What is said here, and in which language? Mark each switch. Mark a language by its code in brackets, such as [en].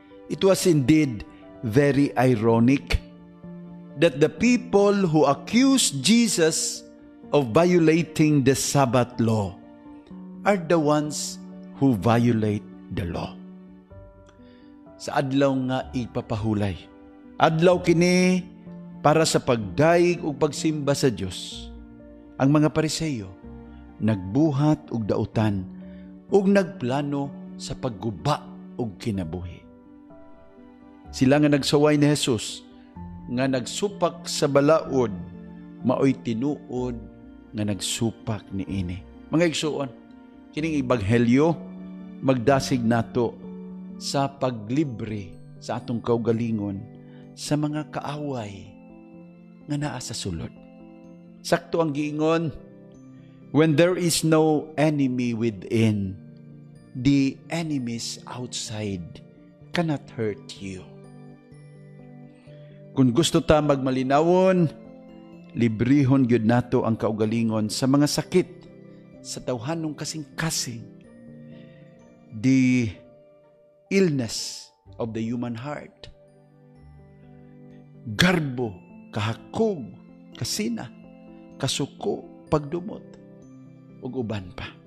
[en] It was indeed very ironic that the people who accused Jesus of violating the Sabbath law are the ones who violate the law. [ceb] Sa adlaw nga ipapahulay, adlaw kini para sa pagdaig ug pagsimba sa Dios, ang mga Pariseo nagbuhat ug dautan ug nagplano sa pagguba ug kinabuhi. Sila nga nagsaway ni Jesus nga nagsupak sa balaod maoy tinuod nga nagsupak ni ini. Mga igsuon, kining ebanghelyo magdasig nato sa paglibre sa atong kaugalingon sa mga kaaway nga naa sa sulod. Sakto ang giingon, [en] when there is no enemy within, the enemies outside cannot hurt you. [ceb] Kung gusto ta magmalinawon, librihon gyud nato ang kaugalingon sa mga sakit, sa tawhanong kasing-kasing, [en] the illness of the human heart, [ceb] garbo, kahakog, kasina, kasuko, pagdumot, ug uban pa.